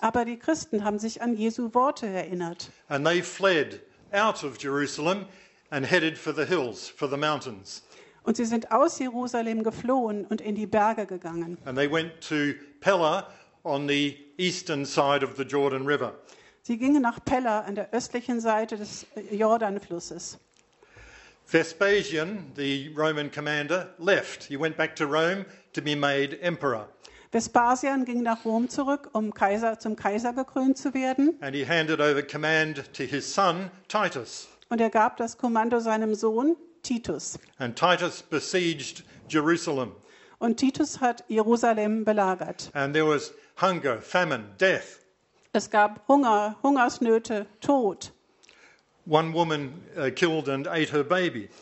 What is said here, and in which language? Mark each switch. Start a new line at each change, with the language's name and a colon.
German: Aber die Christen haben sich an Jesu Worte erinnert.
English: And they fled out of Jerusalem and headed for the hills, for the mountains.
German: Und sie sind aus Jerusalem geflohen und in die Berge gegangen.
English: And they went to Pella on the eastern side of the Jordan River.
German: Sie gingen nach Pella an der östlichen Seite des Jordanflusses.
English: Vespasian, the Roman commander, left. He went back to Rome to be made emperor.
German: Vespasian ging nach Rom zurück, um Kaiser zum Kaiser gekrönt zu werden.
English: And he handed over command to his son Titus.
German: Und er gab das Kommando seinem Sohn Titus.
English: And Titus besieged Jerusalem.
German: Und Titus hat Jerusalem belagert.
English: And there was hunger, famine, death.
German: Es gab Hunger, Hungersnöte, Tod.
English: One woman killed and ate her baby.